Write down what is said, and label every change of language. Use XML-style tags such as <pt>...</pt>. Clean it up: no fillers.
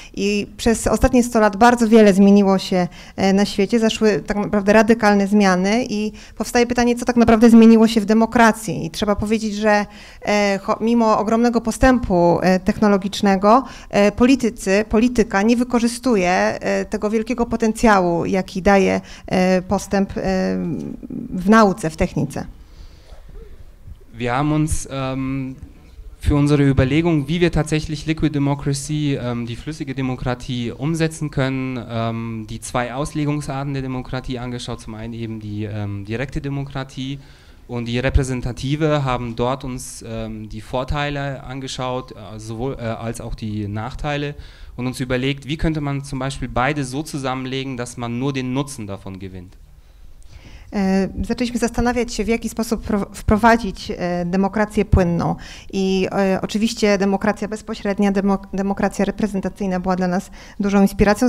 <pl>I przez ostatnie 100 lat bardzo wiele zmieniło się na świecie, zaszły tak naprawdę radykalne zmiany i powstaje pytanie, co tak naprawdę zmieniło się w demokracji. I trzeba powiedzieć, że mimo ogromnego postępu technologicznego, polityka nie wykorzystuje tego wielkiego potencjału, jaki daje postęp w nauce, w technice.</pl> <de>Wir haben uns für unsere Überlegung, wie wir tatsächlich Liquid Democracy, die flüssige Demokratie, umsetzen können, die zwei Auslegungsarten der Demokratie angeschaut, zum einen eben die direkte Demokratie und die repräsentative, haben dort uns die Vorteile angeschaut, sowohl als auch die Nachteile, und uns überlegt, wie könnte man zum Beispiel beide so zusammenlegen, dass man nur den Nutzen davon gewinnt.</de> <pl>Zaczęliśmy zastanawiać się, w jaki sposób wprowadzić demokrację płynną. I oczywiście demokracja bezpośrednia, demokracja reprezentacyjna była dla nas dużą inspiracją.</pl>